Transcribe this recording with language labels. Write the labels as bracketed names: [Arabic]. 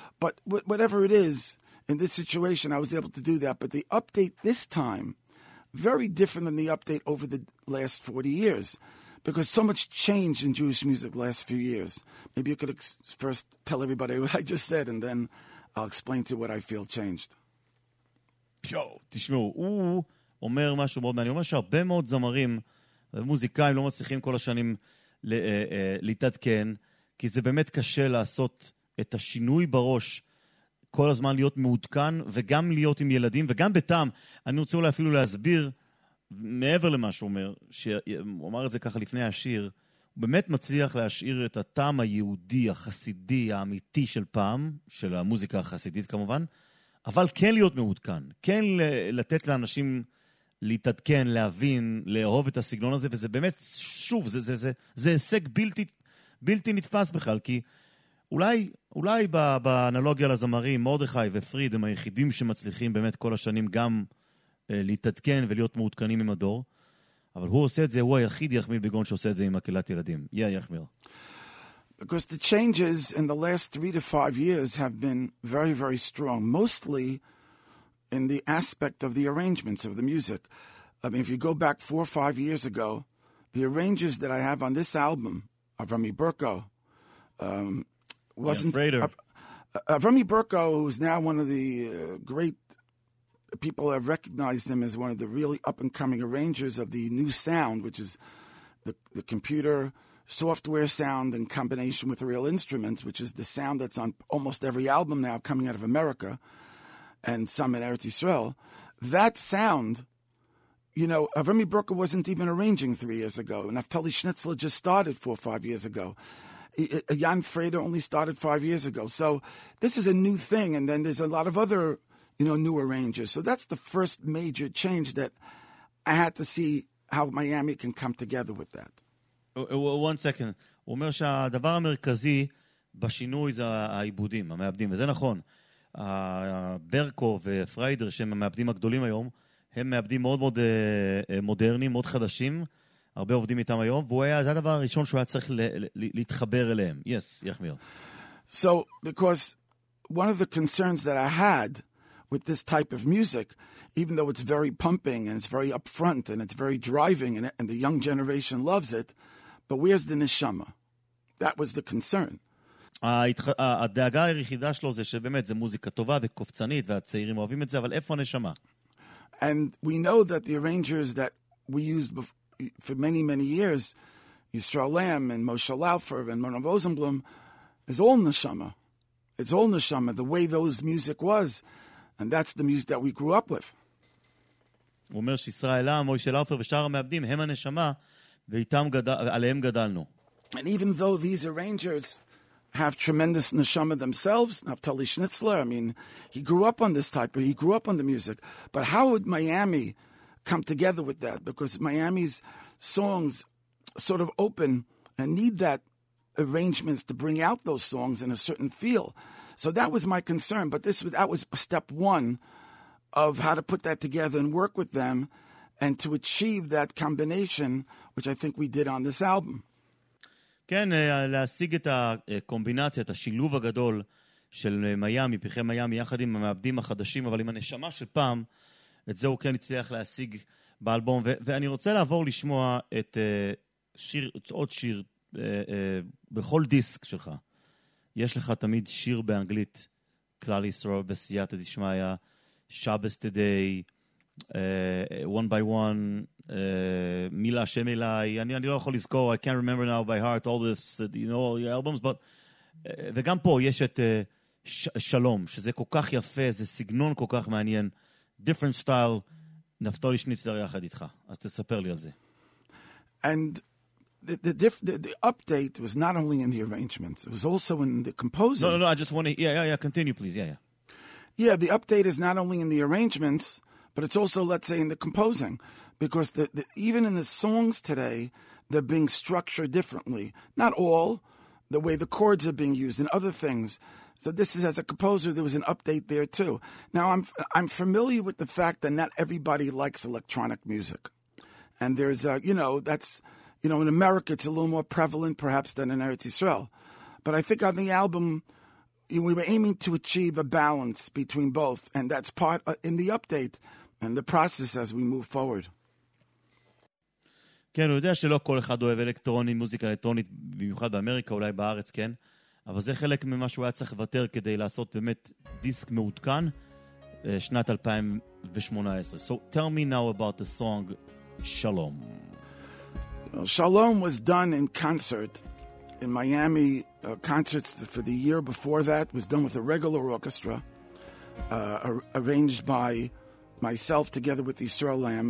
[English] But whatever it is, in this situation, I was able to do that. But the update this time, very different than the update over the last 40 years, because so much changed in Jewish music the last few years. Maybe you could first tell everybody what I just said, and then I'll explain to you what I feel changed. [Hebrew] Yo, תשמעו, הוא אומר משהו מאוד, אני אומר שהרבה מאוד זמרים ומוזיקאים לא מצליחים כל השנים להתעדכן, כי זה באמת קשה לעשות את השינוי בראש, כל הזמן להיות מעודכן, וגם להיות עם ילדים, וגם בטעם, אני רוצה אולי אפילו להסביר, מעבר למה שהוא אומר, שהוא אמר את זה ככה לפני השיר, הוא באמת מצליח להשאיר את הטעם היהודי, החסידי, האמיתי של פעם, של המוזיקה החסידית כמובן, אבל כן להיות מעודכן, כן לתת לאנשים להתעדכן, להבין, לאהוב את הסגנון הזה, וזה באמת, שוב, זה, זה, זה, זה הישג בלתי נתפס בכלל, כי אולי באנלוגיה לזמרים, מורדכי ופריד הם היחידים שמצליחים באמת כל השנים גם להתעדכן ולהיות מעודכנים עם הדור, אבל הוא עושה את זה, הוא היחיד יחמיר בגון שעושה את זה עם הקהילת ילדים. יהיה יחמיר. [English] Because the changes in the last 3 to 5 years have been very, very strong, mostly in the aspect of the arrangements of the music. I mean, if you go back 4 or 5 years ago, the arrangers that I have on this album are Rami Berko, wasn't Rami Berko, who's now one of the great people, have recognized him as one of the really up and coming arrangers of the new sound, which is the computer software sound in combination with real instruments, which is the sound that's on almost every album now coming out of America and some in Eretz Yisrael. That sound, you know, Rami Berko wasn't even arranging 3 years ago, and Naftali Schnitzler just started 4 or 5 years ago. Jan Frater only started 5 years ago. So this is a new thing, and then there's a lot of other, you know, new arrangers. So that's the first major change that I had to see how Miami can come together with that. One second. [Hebrew] הוא אומר שהדבר המרכזי בשינוי זה העיבודים, המעבדים, וזה נכון. ברקו ופריידר, שהם המעבדים הגדולים היום, הם מעבדים מאוד מאוד מודרניים, מאוד חדשים, הרבה עובדים איתם היום, והוא היה, זה הדבר הראשון שהוא היה צריך להתחבר אליהם. [English] Yes, יחמיר. So, because one of the concerns that I had with this type of music, even though it's very pumping and it's very upfront and it's very driving and the young generation loves it, but where's the neshama? That was the concern. [Hebrew] הדאגה היחידה שלו זה שבאמת זה מוזיקה טובה וקופצנית והצעירים אוהבים את זה, אבל איפה הנשמה? [English] And we know that the arrangers that we used before, for many, many years, Yisrael Lam and Moshe Laufer and Mona Rosenblum, is all neshama. It's all neshama, the way those music was. And that's the music that we grew up with. [Hebrew] הוא אומר שישראל לם, מושה לאופר ושאר המעבדים, הם הנשמה, ואיתם עליהם גדלנו. [English] And even though these arrangers have tremendous neshama themselves, Naftali Schnitzler, I mean, he grew up on this type, he grew up on the music. But how would Miami come together with that, because Miami's songs sort of open and need that arrangements to bring out those songs in a certain feel. So that was my concern, but that was step one of how to put that together and work with them and to achieve that combination, which I think we did on this album. [Hebrew] כן, להשיג את הקומבינציה, את השילוב הגדול של מיאמי, פרחי מיאמי, יחד עם המעבדים החדשים, אבל עם הנשמה של פעם, את זה הוא כן הצליח להשיג באלבום, ואני רוצה לעבור לשמוע את שיר, עוד שיר, בכל דיסק שלך. יש לך תמיד שיר באנגלית, כלל ישראל בסייעתא דשמיא, שבס טדי, וואן ביי וואן, מילה השם אליי, אני לא יכול לזכור, [English] I can't remember now by heart all this, you know, all your albums, but, [Hebrew] וגם פה יש את שלום, שזה כל כך יפה, זה סגנון כל כך מעניין, [English] different style, [Hebrew] Naftali Schnitzler יחד איתך. אז תספר לי על זה. [English] And The update was not only in the arrangements, it was also in the composing. No, I just want to, yeah, continue, please, yeah. Yeah, the update is not only in the arrangements, but it's also, let's say, in the composing. Because the even in the songs today, they're being structured differently. Not all, the way the chords are being used and other things. So this is, as a composer, there was an update there too. Now, I'm familiar with the fact that not everybody likes electronic music. And there's, in America, it's a little more prevalent, perhaps, than in Eretz Yisrael. But I think on the album, we were aiming to achieve a balance between both. And that's part in the update and the process as we move forward. [Hebrew] כן, הוא יודע שלא כל אחד אוהב אלקטרוני, מוזיקה אלקטרונית, במיוחד באמריקה, אולי בארץ, כן? אבל זה חלק ממה שהוא היה צריך לוותר כדי לעשות באמת דיסק מעודכן, שנת 2018. [English] So tell me now about the song Shalom. Shalom was done in concert in Miami. Concerts for the year before that was done with a regular orchestra, arranged by myself together with Yisrael Lam.